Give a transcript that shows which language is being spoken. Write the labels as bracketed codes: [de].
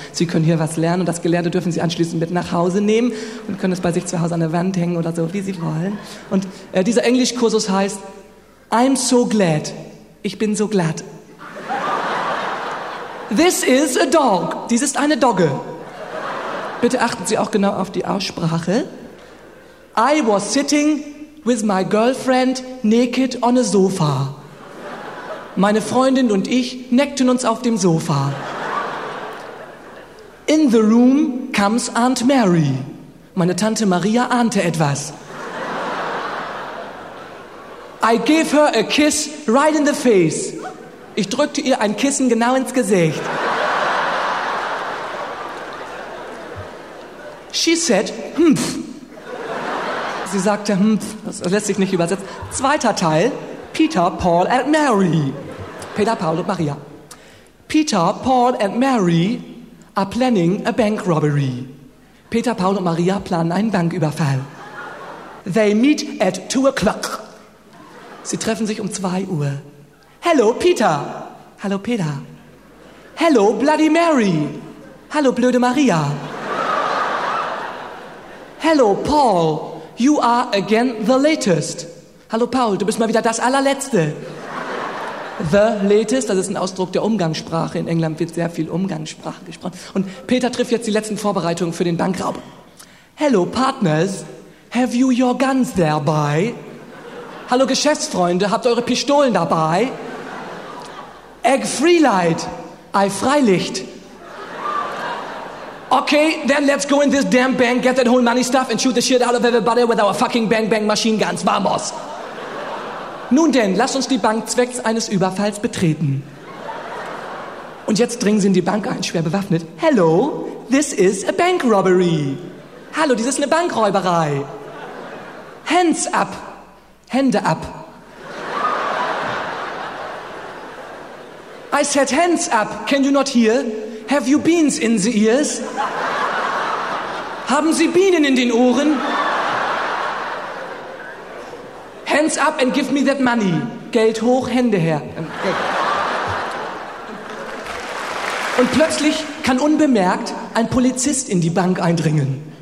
[de] Sie können hier was lernen und das Gelernte dürfen Sie anschließend mit nach Hause nehmen und können es bei sich zu Hause an der Wand hängen oder so, wie Sie wollen. Und dieser Englischkursus heißt [en] I'm so glad. [de] Ich bin so glad. [en] This is a dog. [de] Dies ist eine Dogge. Bitte achten Sie auch genau auf die Aussprache. [en] I was sitting with my girlfriend naked on a sofa. [de] Meine Freundin und ich neckten uns auf dem Sofa. [en] In the room comes Aunt Mary. [de] Meine Tante Maria ahnte etwas. [en] I gave her a kiss right in the face. [de] Ich drückte ihr ein Kissen genau ins Gesicht. [en] She said, humph. [de] Sie sagte, humph, das lässt sich nicht übersetzen. Zweiter Teil, Peter, Paul and Mary. Peter, Paul und Maria. [en] Peter, Paul and Mary are planning a bank robbery. [de] Peter, Paul und Maria planen einen Banküberfall. [en] They meet at 2 o'clock. [de] Sie treffen sich um 2 Uhr. [en] Hello, Peter. [de] Hallo, Peter. [en] Hello, Bloody Mary. [de] Hallo, blöde Maria. [en] Hello, Paul. You are again the latest. [de] Hallo, Paul. Du bist mal wieder das Allerletzte. [en] The latest, [de] das ist ein Ausdruck der Umgangssprache. In England wird sehr viel Umgangssprache gesprochen. Und Peter trifft jetzt die letzten Vorbereitungen für den Bankraub. [en] Hello, partners. Have you your guns thereby? [de] Hallo, Geschäftsfreunde. Habt eure Pistolen dabei? [en] Egg free light. [de] Ei Freilicht. [en] Okay, then let's go in this damn bank, get that whole money stuff and shoot the shit out of everybody with our fucking bang bang machine guns. [es] Vamos. [de] Nun denn, lass uns die Bank zwecks eines Überfalls betreten. Und jetzt dringen sie in die Bank ein, schwer bewaffnet. [en] Hello, this is a bank robbery. [de] Hallo, dies ist eine Bankräuberei. [en] Hands up. [de] Hände ab. [en] I said hands up. Can you not hear? Have you beans in the ears? [de] Haben Sie Bienen in den Ohren? [en] Hands up and give me that money. [de] Geld hoch, Hände her. Und plötzlich kann unbemerkt ein Polizist in die Bank eindringen.